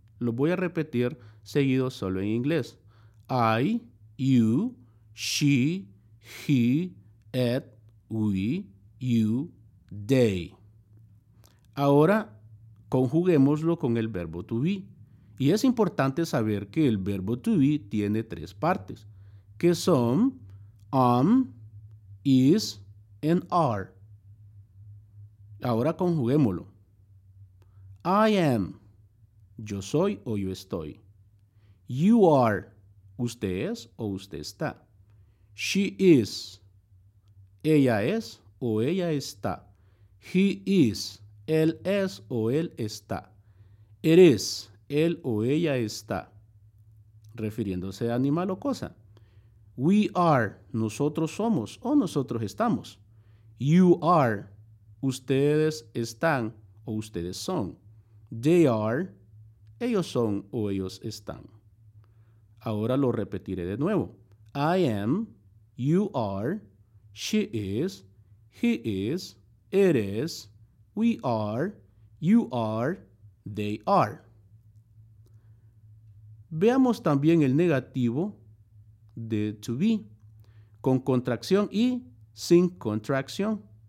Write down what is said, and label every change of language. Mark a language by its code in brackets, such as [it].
[es] Lo voy a repetir seguido solo en inglés. [en] I, you, she, he, it, we, you, they. [es] Ahora conjuguémoslo con el verbo to be. Y es importante saber que el verbo to be tiene tres partes, que son [en] am, is, and are. [es] Ahora conjuguémoslo. [en] I am. [es] Yo soy o yo estoy. [en] You are. [es] Usted es o usted está. [en] She is. [es] Ella es o ella está. [en] He is. [es] Él es o él está. [en] It is. [es] Él o ella está. Refiriéndose a animal o cosa. [en] We are. [es] Nosotros somos o nosotros estamos. [en] You are. [es] Ustedes están o ustedes son. [en] They are. [es] Ellos son o ellos están. Ahora lo repetiré de nuevo. [en] I am, you are, she is, he is, it is, we are, you are, they are. [es] Veamos también el negativo de to be, con contracción y sin contracción.